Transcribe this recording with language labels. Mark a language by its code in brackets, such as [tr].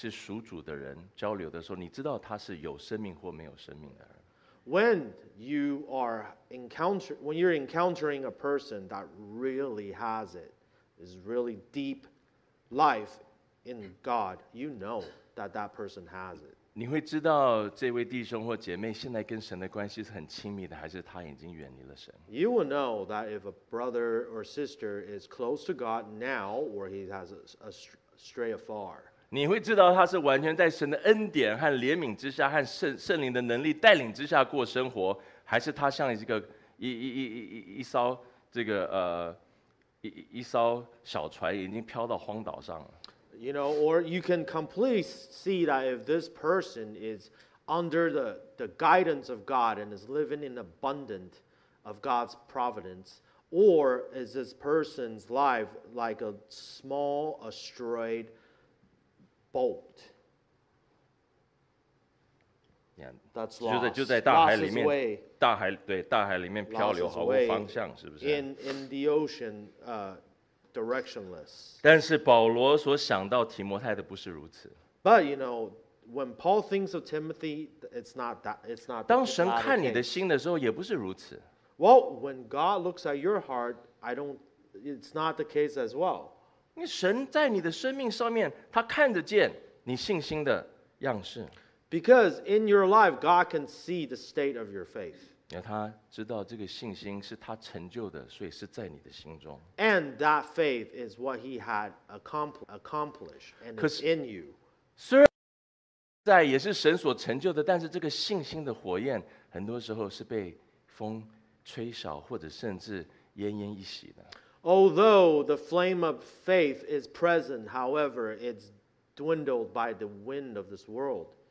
[zh] 当你跟着一个在信心里面是属主的人交流的时候, 你知道他是有生命或没有生命的人。 [en] When you're encountering a person that really has it, is really deep life in God, you know that person has it. [zh] 你会知道这位弟兄或姐妹现在跟神的关系是很亲密的，还是他已经远离了神。 [en] You will know that if a brother or sister is close to God now, or he has strayed afar. [zh] 你会知道他是完全在神的恩典和怜悯之下，和圣灵的能力带领之下过生活，还是他像一个一艘小船已经飘到荒岛上了。You [en] know, or you can completely see that if this person is under the guidance of God and is living in abundant of God's providence, or is this person's life like a small, astray boat. That's lost. [zh] 就在大海里面，大海对大海里面漂流，毫无方向，是不是 [en] ？In the ocean, directionless. [zh] 但是保罗所想到提摩太的不是如此。 [en] But you know, when Paul thinks of Timothy, it's not. [zh] 当神看你的心的时候，也不是如此。 [en] Well, when God looks at your heart, I don't. It's not the case as well. [zh] 因为神在你的生命上面，他看得见你信心的样式。 [en] Because in your life, God can see the state of your faith. [zh] 他知道这个信心是他成就的，所以是在你的心中。 [en] And that faith is what he had accomplished, and is in you. [zh] 虽然在也是神所成就的，但是这个信心的火焰很多时候是被风吹少，或者甚至奄奄一息的。 [en] Although the flame of faith is present, however, it's dwindled by the wind of this world.